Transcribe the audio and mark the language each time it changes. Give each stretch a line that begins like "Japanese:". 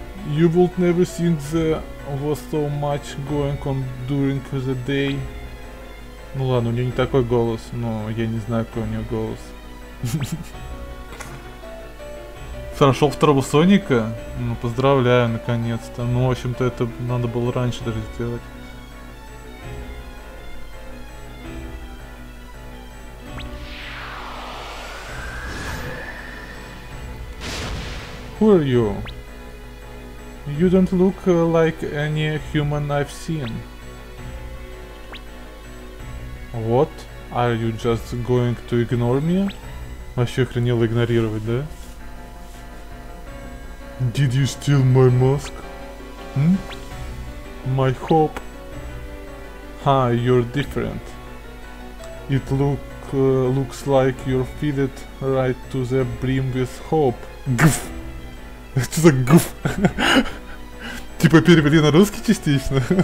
English: You would never think there was so much going on during the day.
Russian: Ну ладно, у нее не такой голос, но я не знаю, какой у нее голос. Прошел второго Соника? Ну поздравляю, наконец-то. Ну, в общем-то, это надо было раньше даже сделать.
English: Who are you? You don't look like any human I've seen. What? Are you just going to ignore me?
Russian: Вообще охренело игнорировать, да?
English: Did you steal my mask? Hmm? My hope? Ha, you're different. It look, looks like you're fitted right to the brim with hope.
Russian: Гф! Что за гф? Типа перевели на русский частично.